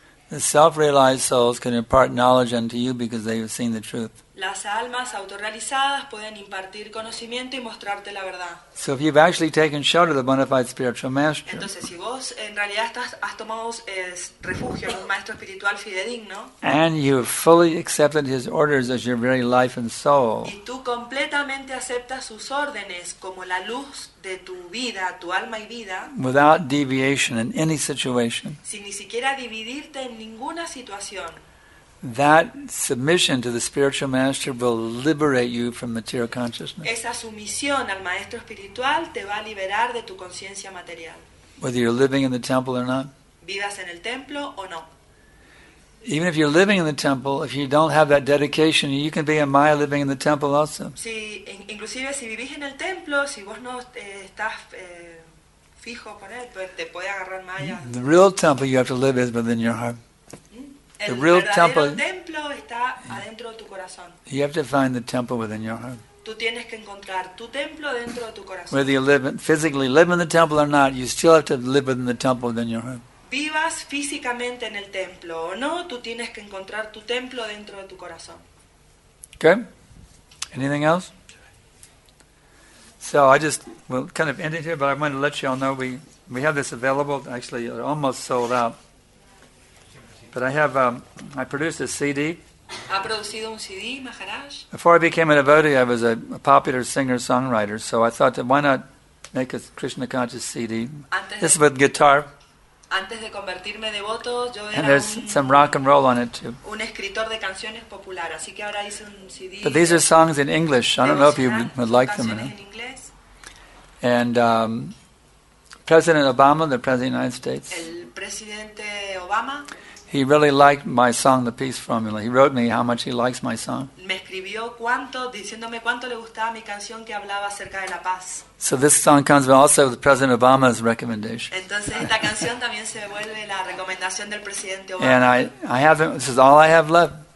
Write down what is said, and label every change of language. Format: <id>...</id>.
<en>The self-realized souls can impart knowledge unto you because they have seen the truth.</en> <es>Las almas autorrealizadas pueden impartir conocimiento y mostrarte la verdad.</es> <en>So if you've actually taken shelter of the bona fide spiritual master.</en> <es>Entonces, si vos en realidad has tomado refugio en un maestro espiritual fidedigno.</es> <en>And you've fully accepted his orders as your very life and soul.</en> <es>Y tú completamente aceptas sus órdenes como la luz de tu vida, tu alma y vida.</es> <en>Without deviation in any situation.</en> <es>Sin ni siquiera dividirte en ninguna situación.</es> <en>That submission to the spiritual master will liberate you from material consciousness.</en> <es>Esa sumisión al maestro espiritual te va a liberar de tu conciencia material.</es> <en>Whether you're living in the temple or not.</en> <es>Vivas en el templo o no.</es> <en>Even if you're living in the temple, if you don't have that dedication, you can be a Maya living in the temple also.</en> <es>Si, inclusive si vivís en el templo, si vos no estás fijo con él, te puede agarrar Maya.</es> <en>The real temple you have to live is within your heart. The real temple,</en> <es>templo está adentro de tu corazón.</es> <en>You have to find the temple within your heart.</en> <es>Tú tienes que encontrar tu templo dentro de tu corazón.</es> <en>Whether you physically live in the temple or not, you still have to live within the temple within your heart.</en> <es>Vivas físicamente en el templo o no, tú tienes que encontrar tu templo dentro de tu corazón.</es> <en>Okay. Anything else? So I just will kind of end it here, but I want to let you all know we have this available. Actually, it almost sold out. But I have I produced a CD.</en> <es>¿Ha producido un CD, Maharaj?</es> <en>Before I became a devotee, I was a popular singer-songwriter, so I thought that why not make a Krishna conscious CD? This is with guitar.</en> <es>Antes de convertirme devoto, yo era</es> <en>and there's some rock and roll on it too.</en> <es>Un escritor de canciones popular, así que ahora hice un CD.</es> <en>But these are songs in English. I don't know if you would like them or not. And President Obama, the President of the United States.</en> <es>El presidente Obama.</es> <en>He really liked my song, The Peace Formula. He wrote me how much he likes my song.</en> <es>Me escribió cuánto, diciéndome cuánto le gustaba mi canción que hablaba acerca de la paz.</es> <en>So this song comes also with President Obama's recommendation.</en> <es>Entonces esta canción también se vuelve la recomendación del presidente Obama.</es> <en>And I have it, this is all I have left.</en>